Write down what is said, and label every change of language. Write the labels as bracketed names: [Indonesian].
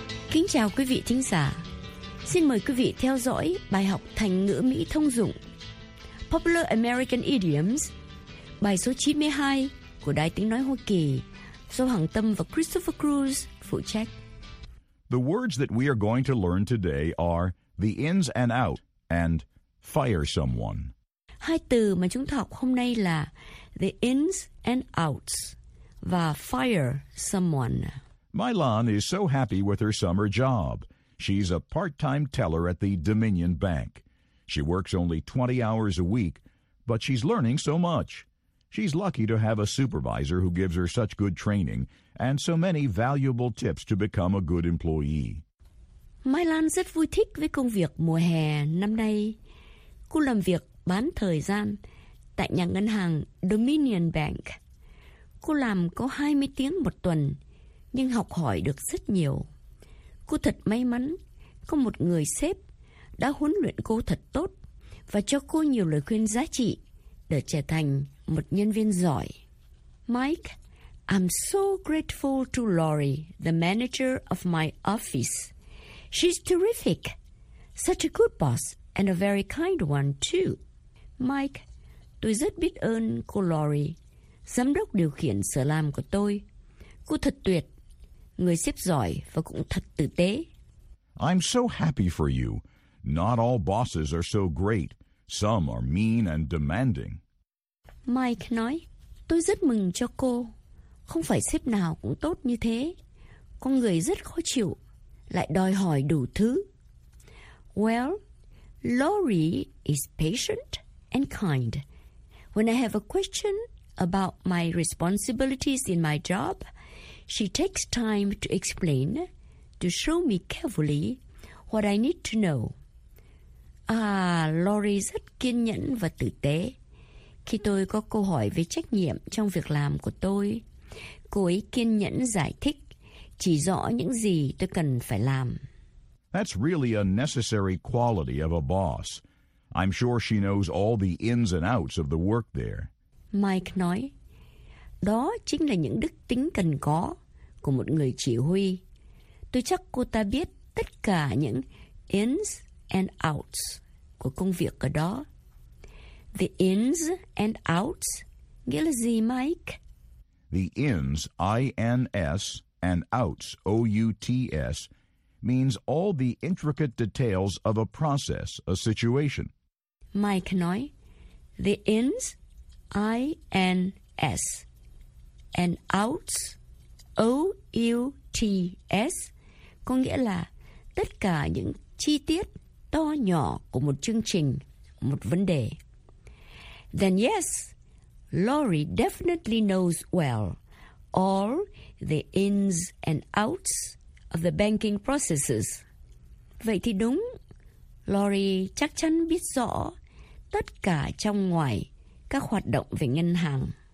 [Vietnamese] Kính chào quý vị thính giả. Xin mời quý vị theo dõi bài học thành ngữ Mỹ thông dụng [English] Popular American Idioms, [Vietnamese] bài số 92 của Đài Tiếng Nói Hoa Kỳ, do Hằng Tâm và Christopher Cruz phụ trách. [English] The words that we are going to learn today are the ins and out and fire someone. [Vietnamese] Hai từ mà chúng ta học hôm nay là [English] the ins and outs [Vietnamese] và [English] fire someone. Mylan is so happy with her summer job. She's a part-time teller at the Dominion Bank. She works only 20 hours a week, but she's learning so much. She's lucky to have a supervisor who gives her such good training and so many valuable tips to become a good employee. [Vietnamese] Mylan rất vui thích với công việc mùa hè năm nay. Cô làm việc bán thời gian tại nhà ngân hàng Dominion Bank. Cô làm có 20 tiếng một tuần, nhưng học hỏi được rất nhiều. Cô thật may mắn có một người sếp đã huấn luyện cô thật tốt và cho cô nhiều lời khuyên giá trị để trở thành một nhân viên giỏi. [English] Mike, I'm so grateful to Lori, the manager of my office. She's terrific. Such a good boss and a very kind one too. [Vietnamese] Mike, tôi rất biết ơn cô Lori, giám đốc điều khiển sở làm của tôi. Cô thật tuyệt, người sếp giỏi và cũng thật tử tế. [English] I'm so happy for you. Not all bosses are so great. Some are mean and demanding. [Vietnamese] Mike nói, tôi rất mừng cho cô. Không phải sếp nào cũng tốt như thế. Con người rất khó chịu, lại đòi hỏi đủ thứ. [English] Well, Lori is patient and kind. When I have a question about my responsibilities in my job, she takes time to explain, to show me carefully what I need to know. [Vietnamese] Lori rất kiên nhẫn và tử tế. Khi tôi có câu hỏi về trách nhiệm trong việc làm của tôi, cô ấy kiên nhẫn giải thích, chỉ rõ những gì tôi cần phải làm. [English] That's really a necessary quality of a boss. I'm sure she knows all the ins and outs of the work there. [Vietnamese] Mike nói, đó chính là những đức tính cần có của một người chỉ huy. Tôi chắc cô ta biết tất cả những [English] ins and outs [Vietnamese] của công việc ở đó. [English] The ins and outs, [Vietnamese] nghĩa là gì, [English] Mike? The ins, I-N-S, and outs, O-U-T-S, means all the intricate details of a process, a situation. [Vietnamese] Mike nói, [English] the ins, I-N-S, and outs, O-U-T-S, [Vietnamese] có nghĩa là tất cả những chi tiết to nhỏ của một chương trình, một vấn đề. [English] Then yes, Lori definitely knows well all the ins and outs of the banking processes. [Vietnamese] Vậy thì đúng, Lori chắc chắn biết rõ tất cả trong ngoài các hoạt động về ngân hàng.